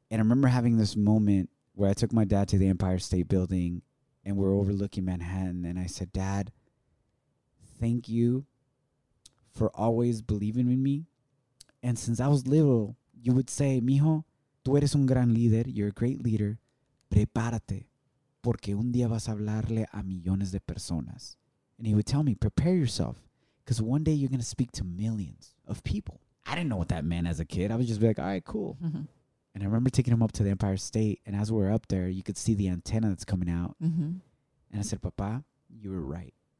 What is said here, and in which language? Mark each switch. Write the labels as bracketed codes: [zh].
[en] And I remember having this moment where I took my dad to the Empire State Building and we're overlooking Manhattan. And I said, Dad, thank you for always believing in me. And since I was little, you would say, [es] mijo, tú eres un gran líder. [en] You're a great leader. [es] Prepárate, porque un día vas a hablarle a millones de personas. [en] And he would tell me, prepare yourself, because one day you're going to speak to millions of people. I didn't know what that meant as a kid. I was just like, all right, cool. Mm-hmm. And I remember taking him up to the Empire State. And as we were up there, you could see the antenna that's coming out. Mm-hmm. And I said, Papa, you were right.